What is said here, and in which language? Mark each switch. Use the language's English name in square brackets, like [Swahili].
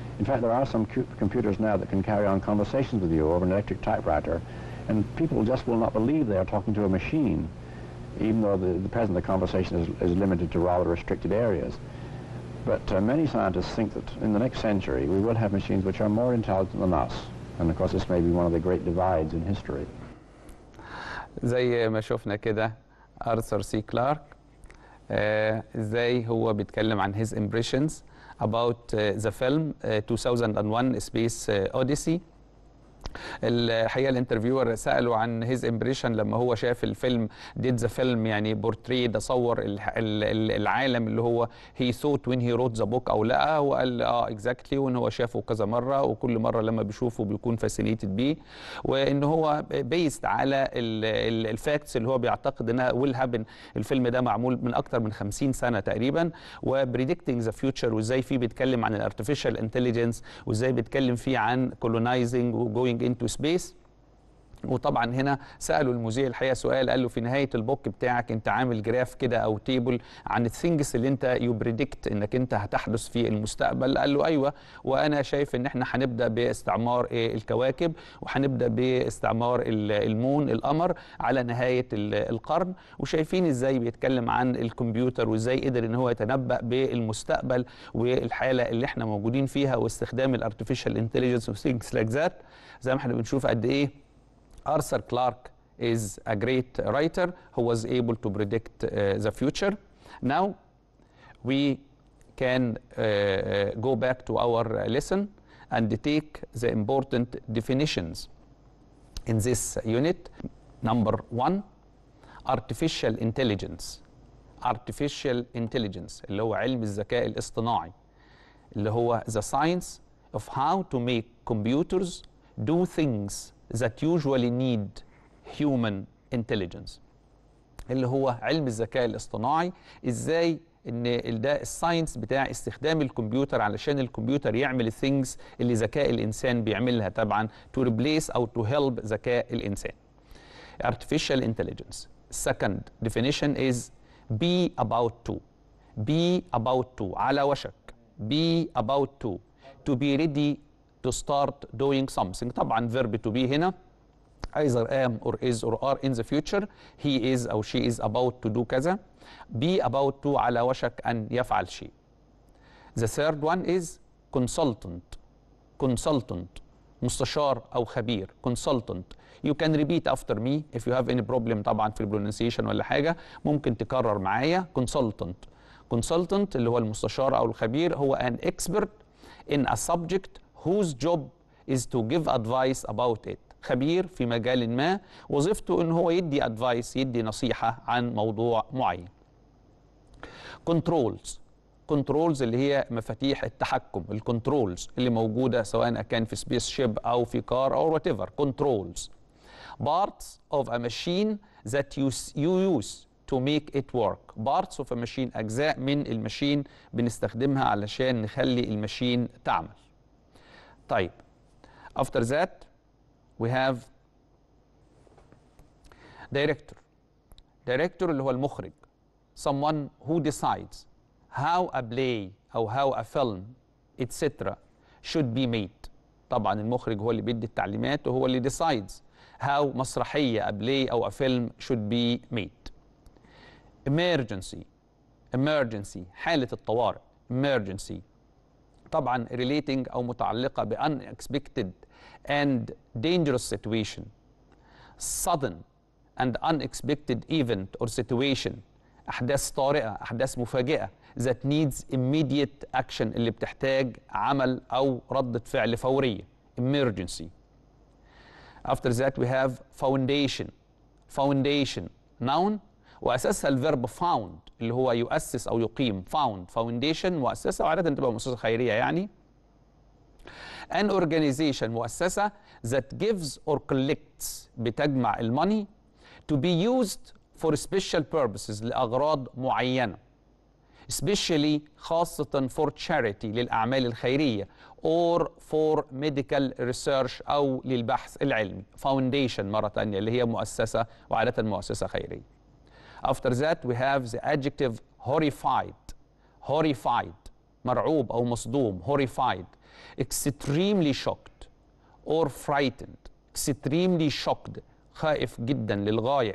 [English] In fact, there are some computers now that can carry on conversations with you over an electric typewriter, and people just will not believe they are talking to a machine, even though the conversation is limited to rather restricted areas. But many scientists think that in the next century, we will have machines which are more intelligent than us. And of course, this may be one of the great divides in history. [Arabic] زي ما شفنا كده آرثر سي كلارك ازاي هو بيتكلم عن [English] his impressions about the film 2001 Space Odyssey. [Arabic] الحقيقة الانترفيور سأله عن [English] his impression [Arabic] لما هو شاف الفيلم, [English] did the film [Arabic] يعني بورتري تصور العالم اللي هو [English] he thought when he wrote the book [Arabic] أو لا, وقال exactly وان هو شافه كذا مرة وكل مرة لما بيشوفه بيكون fascinated به, وان هو based على الفاكتس اللي هو بيعتقد انها [English] will happen. [Arabic] الفيلم ده معمول من اكتر من 50 سنة تقريبا, و [English] predicting the future [Arabic] وازاي فيه بيتكلم عن [English] artificial intelligence [Arabic] وازاي بيتكلم فيه عن colonizing و [English] going into space. [Arabic] وطبعا هنا سألوا المذيع الحقيقة سؤال, قال له في نهاية البوك بتاعك انت عامل جراف كده او تيبل عن الثينجس اللي انت يبريدكت انك انت هتحدث في المستقبل. قال له ايوه, وانا شايف ان احنا هنبدأ باستعمار الكواكب وحنبدأ باستعمار المون القمر على نهاية القرن, وشايفين ازاي بيتكلم عن الكمبيوتر وازاي قدر ان هو يتنبأ بالمستقبل والحالة اللي احنا موجودين فيها واستخدام الارتفيشال انتليجنس وثينجس لايك ذات. زي ما احنا بنشوف قد ايه [English] Arthur Clarke is a great writer who was able to predict the future. Now we can go back to our lesson and take the important definitions in this unit. Number one, artificial intelligence. [Arabic] Artificial intelligence, اللي هو علم الذكاء الاصطناعي, اللي هو [English] the science of how to make computers do things that usually need human intelligence, [Arabic] اللي هو علم الذكاء الاصطناعي, ازاي ان ده الساينس بتاع استخدام الكمبيوتر علشان الكمبيوتر يعمل things اللي ذكاء الانسان بيعملها, طبعا [English] to replace [Arabic] او [English] to help [Arabic] ذكاء الانسان. [English] Artificial intelligence. Second definition is be about to. Be about to, [Arabic] على وشك. [English] Be about to be ready to start doing something. طبعا verb to be هنا either am or is or are in the future. He is أو she is about to do كذا. Be about to, [Arabic] على وشك أن يفعل شيء. [English] The third one is consultant. [Arabic] Consultant, مستشار أو خبير. [English] Consultant. You can repeat after me if you have any problem [Arabic] طبعا في [English] pronunciation [Arabic] ولا حاجة, ممكن تكرر معايا. [English] Consultant. Consultant [Arabic] اللي هو المستشار أو الخبير هو [English] an expert in a subject whose job is to give advice about it. [Arabic] خبير في مجال ما وظيفته ان هو يدي advice, يدي نصيحة عن موضوع معين. [English] Controls. [Arabic] Controls اللي هي مفاتيح التحكم, الكنترولز اللي موجودة سواء كان في سبيس شيب او في كار او whatever. [English] Controls. Parts of a machine that you use to make it work. Parts of a machine, [Arabic] أجزاء من المشين بنستخدمها علشان نخلي المشين تعمل. طيب, [English] after that we have director. [Arabic] Director اللي هو المخرج. [English] Someone who decides how a play or how a film etc. should be made. [Arabic] طبعا المخرج هو اللي بيدي التعليمات وهو اللي [English] decides how [Arabic] مسرحية, a play أو [English] a film should be made. Emergency. [Arabic] Emergency, حالة الطوارئ. [English] Emergency, طبعا relating [Arabic] أو متعلقة ب [English] unexpected and dangerous situation. Sudden and unexpected event or situation, [Arabic] أحداث طارئة, أحداث مفاجئة [English] that needs immediate action, [Arabic] اللي بتحتاج عمل أو ردة فعل فورية. [English] Emergency. After that we have foundation. [Arabic] Foundation, noun, وأساسها الverb found اللي هو يؤسس أو يقيم. Found, foundation, مؤسسة, وعادة تبقى مؤسسة خيرية يعني. [English] An organization, مؤسسة, that gives or collects, [Arabic] بتجمع الموني, [English] to be used for special purposes, [Arabic] لأغراض معينة. [English] Especially, خاصة for charity, [Arabic] للأعمال الخيرية, [English] or for medical research, [Arabic] أو للبحث العلمي. Foundation مرة تانية اللي هي مؤسسة وعادة مؤسسة خيرية. [English] After that we have the adjective horrified. [Arabic] Horrified, مرعوب أو مصدوم. [English] Horrified. Extremely shocked or frightened. Extremely shocked, [Arabic] خائف جدا للغاية.